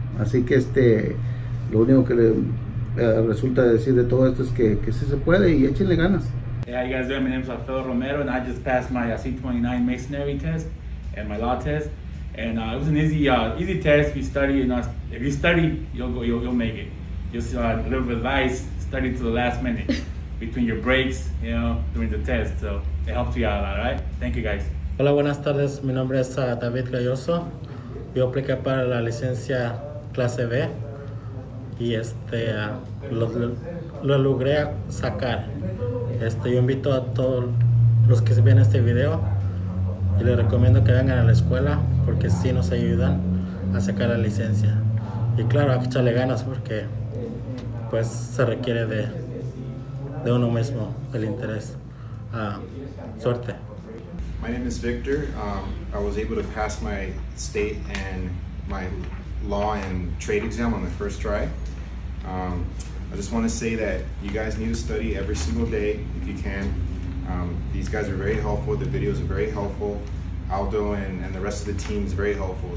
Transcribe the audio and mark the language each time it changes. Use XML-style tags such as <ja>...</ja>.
<es>Así que lo único que le resulta decir de todo esto es que sí se puede y échenle ganas.</es> <en>Hey, how you guys doing? My name is Alfredo Romero, and I just passed my C-29 Masonry test and my law test. And it was an easy test. If you study, you'll make it. Just a little bit of advice, study to the last minute between your breaks, during the test. So it helps you out a lot, right? Thank you, guys.</en> <es>Hola, buenas tardes. Mi nombre es David Galloso. Yo apliqué para la licencia clase B y lo logré sacar. Yo invito a todos los que ven este video y les recomiendo que vengan a la escuela, porque sí nos ayudan a sacar la licencia. Y claro, hay que echarle ganas, porque pues se requiere de uno mismo el interés. Suerte.</es> <en>My name is Victor. I was able to pass my state and my law and trade exam on the first try. I just want to say that you guys need to study every single day if you can. These guys are very helpful. The videos are very helpful. Aldo and the rest of the team is very helpful.</en>